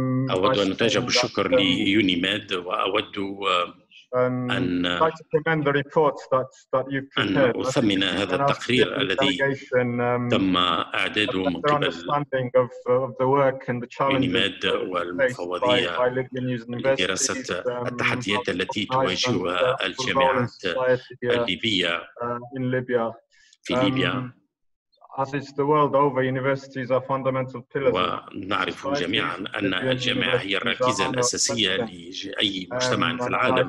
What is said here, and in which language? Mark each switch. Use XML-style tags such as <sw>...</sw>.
<ar>أود أن أتوجه بالشكر لي UNIMED وأود</ar> <en>and I'd like to commend the report that you've prepared.</en> <ar>And أثمن هذا التقرير الذي تم إعداده من قبل</ar> <en>understanding of the work and the challenges</en> <ar>والمفوضية لدراسة التحديات التي تواجهها الجامعات الليبية</ar> <en>in Libya.</en> <ar>في ليبيا.</ar> <en>As it's the world over, universities are fundamental pillars.</en> <ar>ونعرف جميعا أن الجامعة هي الركيزة الأساسية لأي مجتمع في العالم.</ar>